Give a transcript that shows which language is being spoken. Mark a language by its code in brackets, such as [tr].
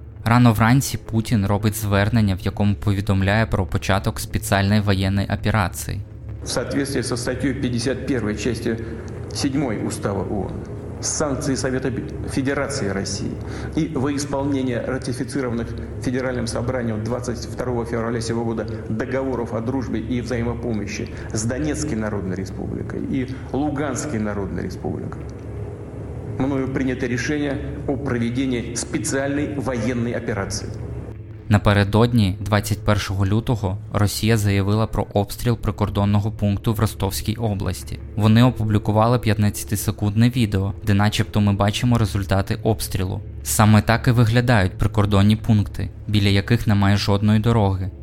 [uk] Рано вранці Путін робить звернення, в якому повідомляє про початок спеціальної воєнної операції. [ru] В соответствии со статьей 51 части 7 Устава ООН санкции Совета Федерации России и во исполнение ратифицированных Федеральным собранием 22 февраля сего года договоров о дружбе и взаимопомощи с Донецкой Народной Республикой и Луганской Народной Республикой, мною принято решение о проведении специальной военной операции. [uk] Напередодні, 21 лютого, Росія заявила про обстріл прикордонного пункту в Ростовській області. Вони опублікували 15-секундне відео, де начебто ми бачимо результати обстрілу. Саме так і виглядають прикордонні пункти, біля яких немає жодної дороги.